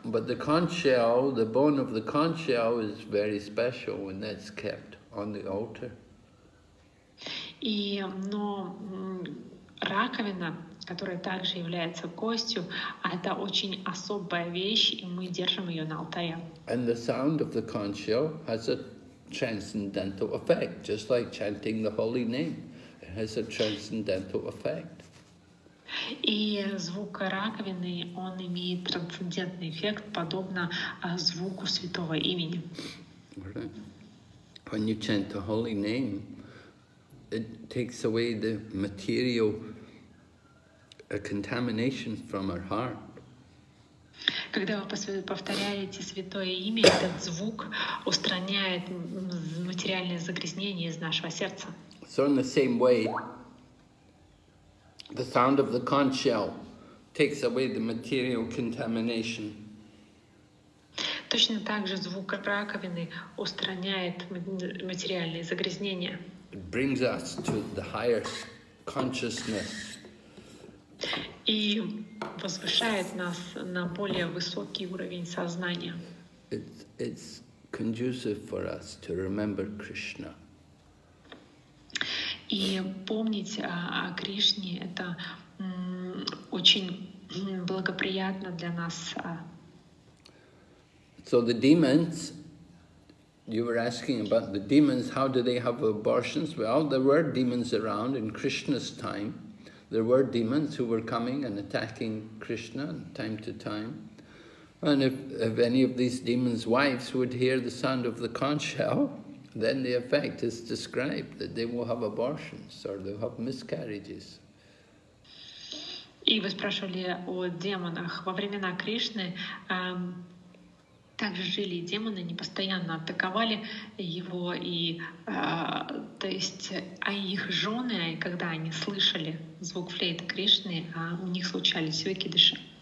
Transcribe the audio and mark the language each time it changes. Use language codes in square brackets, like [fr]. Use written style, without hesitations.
[en] But the conch shell, the bone of the conch shell is very special when that's kept on the altar. [ru] Но раковина, которая также является костью, это очень особая вещь, и мы держим ее на алтаре. [en] And the sound of the conch shell has a transcendental effect, just like chanting the holy name. It has a transcendental effect. [ru] И звук раковины, он имеет трансцендентный эффект, подобно звуку святого имени. [en] Right. When you chant the holy name, it takes away the material contamination from our heart. [ru] Когда вы повторяете святое имя, этот звук устраняет материальное загрязнение из нашего сердца. [en] So in the same way, the sound of the conch shell takes away the material contamination. [ru] Точно так же звук раковины устраняет материальное загрязнение. [en] It brings us to the higher consciousness. [ru] И возвышает нас на более высокий уровень сознания. [en] It's conducive for us to remember Krishna. [ru] И помнить о Кришне – это очень благоприятно для нас. [en] So the demons You were asking about the demons, how do they have abortions? Well, there were demons around in Krishna's time. There were demons who were coming and attacking Krishna time to time. And if any of these demons' wives would hear the sound of the conch shell, then the effect is described, that they will have abortions or they'll have miscarriages. [ru] И вы спрашивали о демонах. Во времена Кришны также жили демоны, они постоянно атаковали его, и то есть а их жены, когда они слышали звук флейты Кришны, у них случались выкидыши.